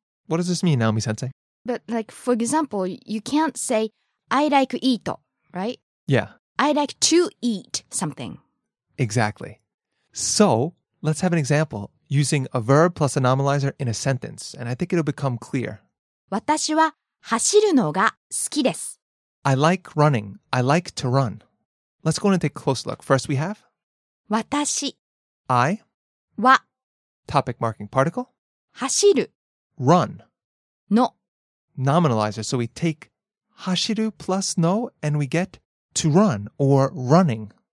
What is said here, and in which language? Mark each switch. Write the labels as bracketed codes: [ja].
[en] What does this mean, Naomi-sensei? But like, for example, you can't say, I like eat-o, right? Yeah. I like to eat something. Exactly. So, let's have an example using a verb plus a nominalizer in a sentence, and I think it'll become clear. [ja] 私は走るのが好きです。 [en] I like running. I like to run. Let's go on and take a close look. First we have [ja] 私 [en] I [ja] は [en] topic marking particle [ja] 走る [en] run [ja] の [en] nominalizer. So we take 走る plus no and we get to run or running